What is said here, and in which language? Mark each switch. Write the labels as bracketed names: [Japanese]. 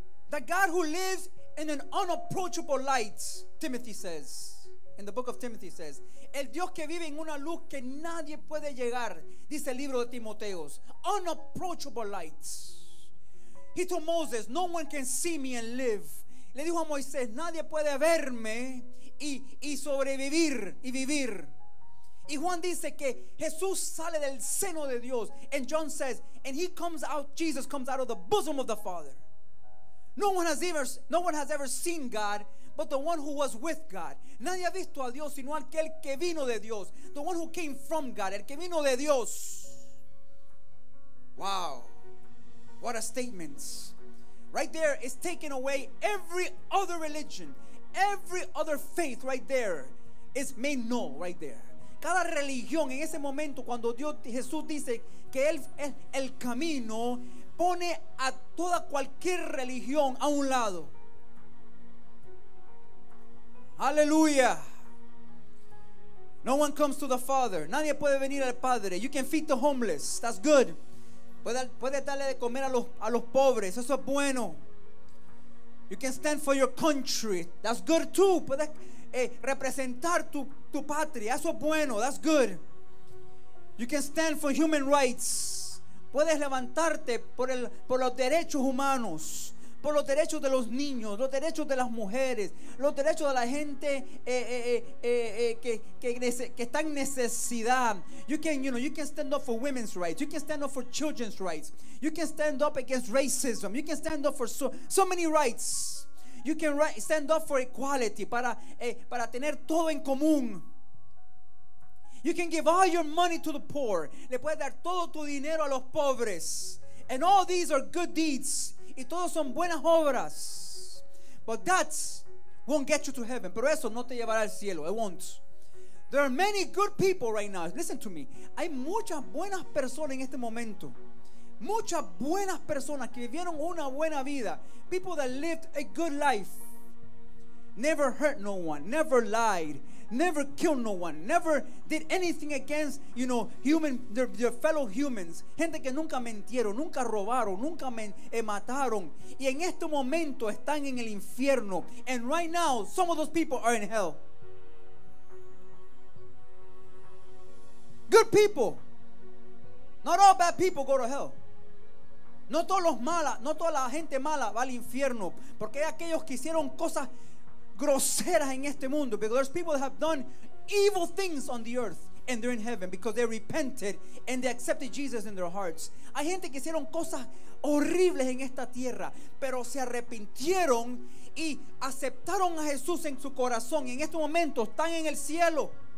[English] The God who lives in an unapproachable light, Timothy says. In the book of Timothy says, [Spanish] el Dios que vive en una luz que nadie puede llegar, dice el libro de Timoteos. [English] Unapproachable lights. He told Moses, no one can see me and live. [Spanish] Le dijo a Moisés, nadie puede verme y sobrevivir y vivir. Y Juan dice que Jesús sale del seno de Dios. [English] And John says, and he comes out, Jesus comes out of the bosom of the Father. No one has ever seen God but the one who was with God. [Spanish] Nadie ha visto a Dios sino aquel que vino de Dios. [English] The one who came from God, [Spanish] el que vino de Dios. [English] Wow. What a statement. Right there is taking away every other religion. Every other faith right there is made null right there. [Spanish] Cada religión en ese momento cuando Dios, Jesús dice que Él es el camino, pone a toda cualquier religión a un lado. [English] Aleluya. No one comes to the Father. [Spanish] Nadie puede venir al Padre. [English] You can feed the homeless. That's good. [Spanish] Puede darle de comer a los pobres. Eso es bueno. [English] You can stand for your country. That's good too. [Spanish] Puedes representar tu patria. Eso es bueno. [English] That's good. You can stand for human rights. [Spanish] Puedes levantarte por los derechos humanos. Por los derechos de los niños. Los derechos de las mujeres. Los derechos de la gente que está en necesidad. [English] You can stand up for women's rights. You can stand up for children's rights. You can stand up against racism. You can stand up for so many rights. You can stand up for equality, [Spanish] para tener todo en común. [English] You can give all your money to the poor. [Spanish] Le puedes dar todo tu dinero a los pobres. [English] And all these are good deeds. [Spanish] Y todos son buenas obras. [English] But that won't get you to heaven. [Spanish] Pero eso no te llevará al cielo. [English] It won't. There are many good people right now. Listen to me. [Spanish] Hay muchas buenas personas en este momento. Muchas buenas personas que vivieron una buena vida. [English] People that lived a good life. Never hurt no one. Never lied. Never killed no one. Never did anything against, you know, human, their fellow humans. [Spanish] Gente que nunca mintieron, nunca robaron, nunca mataron. Y en este momento están en el infierno. [English] And right now, some of those people are in hell. Good people. Not all bad people go to hell. [Spanish] No todos los malas, no toda la gente mala va al infierno. Porque hay aquellos que hicieron cosas groseras en este mundo. [English] Because there's people that have done evil things on the earth and they're in heaven because they repented and they accepted Jesus in their hearts. [Spanish] Hay gente que hicieron cosas horribles en esta tierra, pero se arrepintieron y aceptaron a Jesús en su corazón y en este momento están en el cielo.